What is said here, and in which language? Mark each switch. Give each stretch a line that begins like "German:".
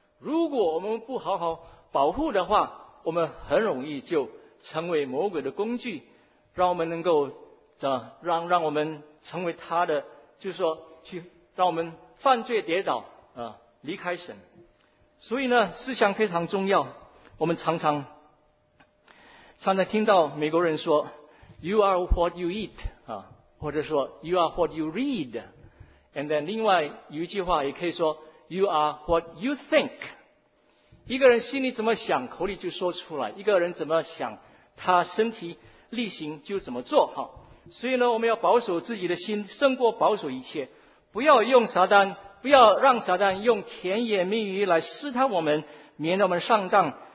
Chinese: 如果我们不好好保护的话，我们很容易就成为魔鬼的工具，让我们能够让我们成为他的，就是说去让我们犯罪跌倒离开神。所以呢，思想非常重要。我们常常听到美国人说
English: You are what you eat
Chinese: 啊，或者说
English: You are what you read， and then
Chinese: 另外有一句话也可以说
English: You are what you think。
Chinese: 一个人心里怎么想，口里就说出来，一个人怎么想，他身体力行就怎么做。所以呢，我们要保守自己的心胜过保守一切，不要让撒旦用甜言蜜语来试探我们，免得我们上当。